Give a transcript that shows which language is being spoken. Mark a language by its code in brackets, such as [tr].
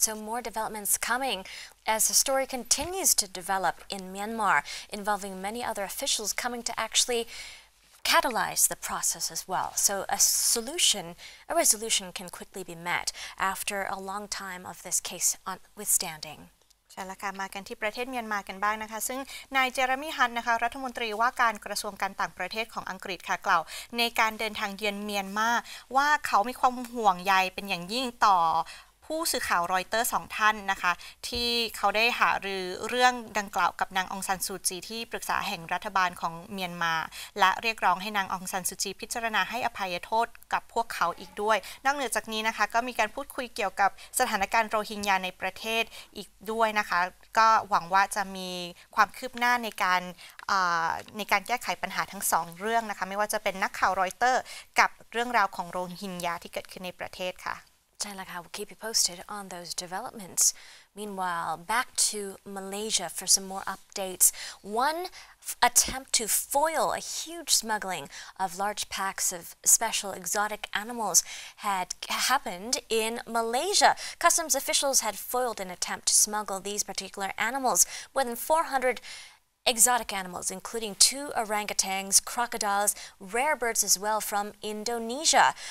[en] So more developments coming as the story continues to develop in Myanmar, involving many other officials coming to actually catalyze the process as well. So a resolution can quickly be met after a long time of this case withstanding. [th] ใช่แล้วค่ะมากันที่ประเทศเมียนมากันบ้างนะคะซึ่งนายเจอร์มี่ฮันต์นะคะรัฐมนตรีว่าการกระทรวงการต่างประเทศของอังกฤษค่ะกล่าวในการเดินทางเยือนเมียนมาว่าเขามีความห่วงใยเป็นอย่างยิ่งต่อ ผู้สื่อข่าวรอยเตอร์สองท่านนะคะที่เขาได้หารือเรื่องดังกล่าวกับนางองซันซูจีที่ปรึกษาแห่งรัฐบาลของเมียนมาและเรียกร้องให้นางองซันซูจีพิจารณาให้อภัยโทษกับพวกเขาอีกด้วยนอกเหนือจากนี้นะคะก็มีการพูดคุยเกี่ยวกับสถานการณ์โรฮิงญาในประเทศอีกด้วยนะคะก็หวังว่าจะมีความคืบหน้าในการแก้ไขปัญหาทั้งสองเรื่องนะคะไม่ว่าจะเป็นนักข่าวรอยเตอร์กับเรื่องราวของโรฮิงญาที่เกิดขึ้นในประเทศค่ะ ใช่แล้วค่ะ [en] we'll keep you posted on those developments meanwhile back to Malaysia for some more updates one attempt to foil a huge smuggling of large packs of special exotic animals had happened in Malaysia customs officials had foiled an attempt to smuggle these particular animals more than 400exotic animals, including two orangutans, crocodiles, rare birds as well from Indonesia.